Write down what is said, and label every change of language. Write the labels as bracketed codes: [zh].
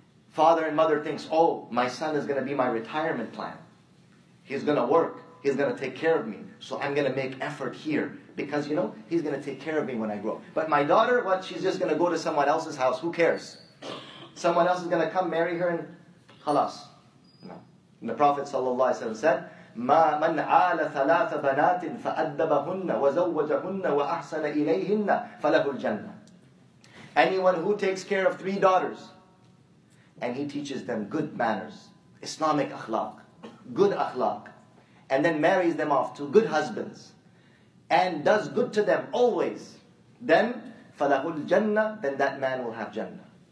[en] Father and mother thinks, oh, my son is going to be my retirement plan. He's going to work. He's going to take care of me. So I'm going to make effort here. Because, you know, he's going to take care of me when I grow. But my daughter, what? She's just going to go to someone else's house. Who cares? Someone else is going to come marry her and khalas. No. And the Prophet ﷺ said, [ar] مَا مَنْ عَالَ ثَلَاثَ بَنَاتٍ فَأَدَّبَهُنَّ وَزَوَّجَهُنَّ وَأَحْسَنَ إِلَيْهِنَّ فَلَهُ الْجَنَّةِ. [en] Anyone who takes care of 3 daughters, and he teaches them good manners, Islamic akhlaq, good akhlaq, and then marries them off to good husbands, and does good to them always, then [ar] فَلَهُ الْجَنَّةِ, [en] then that man will have Jannah.